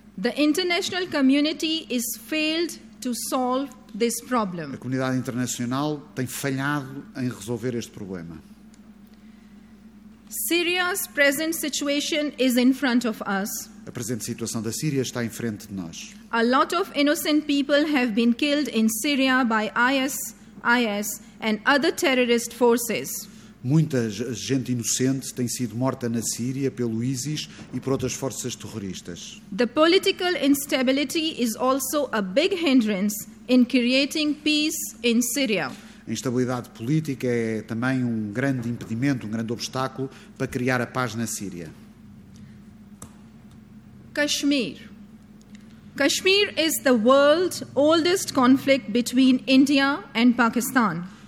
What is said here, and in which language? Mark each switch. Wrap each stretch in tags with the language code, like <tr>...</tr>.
<en>The international community has failed to solve this problem.</en> <pt>A comunidade internacional tem falhado em resolver este problema.</pt> <en>Syria's present situation is in front of us.</en> <pt>A presente situação da Síria está em frente de nós.</pt> <en>A lot of innocent people have been killed in Syria by IS and other terrorist forces.</en> <pt>Muita gente inocente tem sido morta na Síria pelo ISIS e por outras forças terroristas.</pt> <en>The political instability is also a big hindrance in creating peace in Syria.</en> <pt>A instabilidade política é também um grande impedimento, um grande obstáculo para criar a paz na Síria.</pt> <en>Kashmir. Kashmir is the world's oldest conflict between India and Pakistan.</en>